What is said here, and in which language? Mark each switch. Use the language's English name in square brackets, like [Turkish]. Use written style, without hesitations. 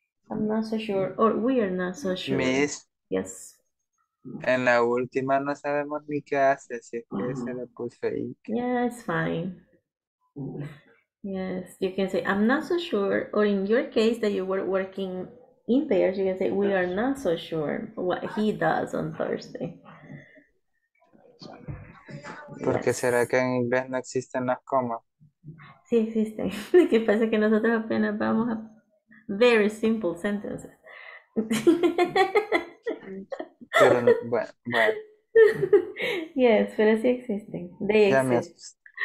[English] I'm not so sure, or we are not so sure. Miss. Yes. [Spanish] En la última no sabemos ni qué hace, así que se la puse ahí. [English] Yeah, it's fine. Mm-hmm. Yes, you can say, I'm not so sure, or in your case that you were working in pairs, you can say, we are not so sure what he does on Thursday. [Spanish] ¿Por qué será que en inglés no existen las comas? Sí, existen. Lo que pasa es que nosotros apenas vamos a... [English] Very simple sentences. [Spanish] Pero, bueno. Yes, pero sí existen. [English] They exist.